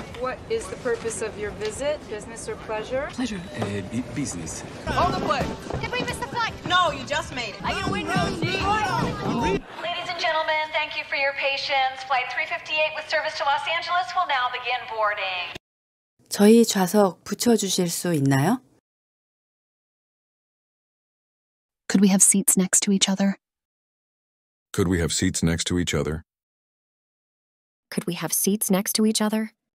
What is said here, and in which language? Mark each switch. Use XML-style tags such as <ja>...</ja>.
<en>What is the purpose of your visit, business or pleasure? Pleasure. Business. Hold the plane. Did we miss the flight? No, you just made it. I can win no seat. Ladies and gentlemen, thank you for your patience. Flight 358 with service to Los Angeles will now begin boarding.</en> <ko>저희 좌석 붙여주실 수 있나요?</ko> <en>Could we have seats next to each other? Could we have seats next to each other? Could we have seats next to each other?</en>